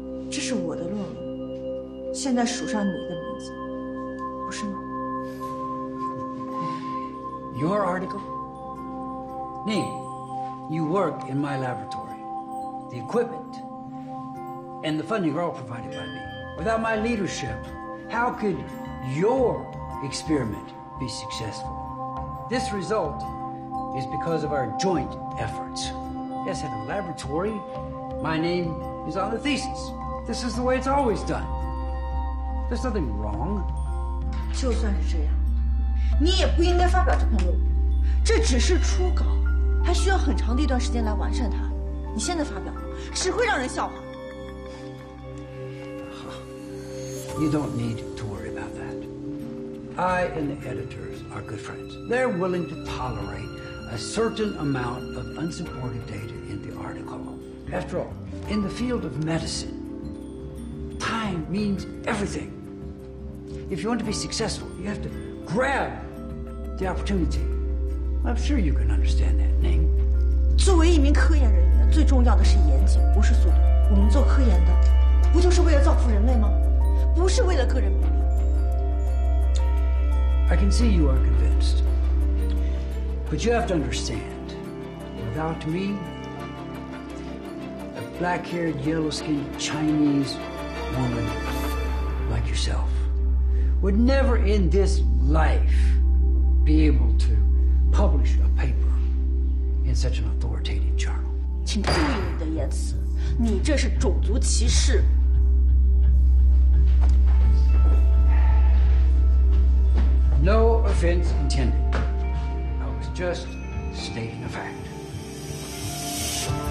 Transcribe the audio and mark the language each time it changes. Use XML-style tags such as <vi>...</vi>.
<zh>这是我的论文，现在署上你的名字，不是吗？</zh> <en>Your article? Name, you work in my laboratory. The equipment, and the funding are all provided by me. Without my leadership, how could your experiment be successful? This result is because of our joint efforts. Yes, at a laboratory, my name is on the thesis. This is the way it's always done. There's nothing wrong.</en> <zh>就算是这样，你也不应该发表这篇论文。这只是初稿，还需要很长的一段时间来完善它。你现在发表，只会让人笑话。</zh> <en>好 ，You don't need to worry about that. I and the editors are good friends. They're willing to tolerate a certain amount of unsupported data in the article. After all, in the field of medicine, time means everything. If you want to be successful, you have to grab the opportunity. I'm sure you can understand that, Ning.</en> <zh>作为一名科研人员，最重要的是严谨，不是速度。我们做科研的，不就是为了造福人类吗？不是为了个人名利。</zh> <en>I can see you are convinced, but you have to understand. Without me, a black-haired, yellow-skinned Chinese woman like yourself. Would never in this life be able to publish a paper in such an authoritative journal.</en> <zh>请注意你的言辞，你这是种族歧视。</zh> <en>No offense intended. I was just stating a fact.</en>